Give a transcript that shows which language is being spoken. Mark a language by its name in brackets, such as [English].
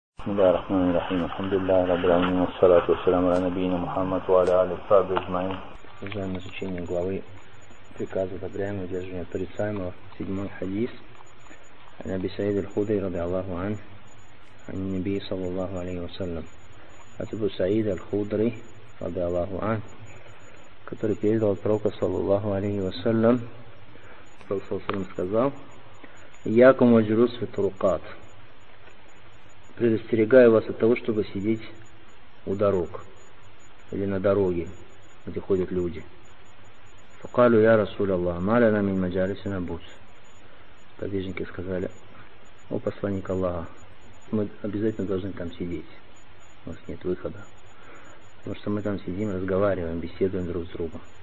[Arabic] بسم الله الرحمن الرحيم، الحمد لله رب العالمين، والصلاة والسلام على نبينا محمد وعلى آله وصحبه أجمعين. [Russian] Уважаемое изучение главы приказа одобряемого удерживания порицаемого, седьмой хадис. [Arabic] عن أبي سعيد الخدري رضي الله عنه عن النبي صلى الله عليه وسلم. عن أبي سعيد الخدري رضي الله عنه [Russian] который передал пророка [Arabic] صلى الله عليه وسلم. [Russian] Пророк [Arabic] صلى الله عليه وسلم [Russian] сказал: [Arabic] إياكم وجلوس في الطرقات. [Russian] Предостерегаю вас от того, чтобы сидеть у дорог или на дороге, где ходят люди. [Arabic] Фукалю я Расуль Аллах, маляна мин маджалиси набуц. [Russian] Подвижники сказали: о посланник Аллаха, мы обязательно должны там сидеть, у нас нет выхода, потому что мы там сидим, разговариваем, беседуем друг с другом.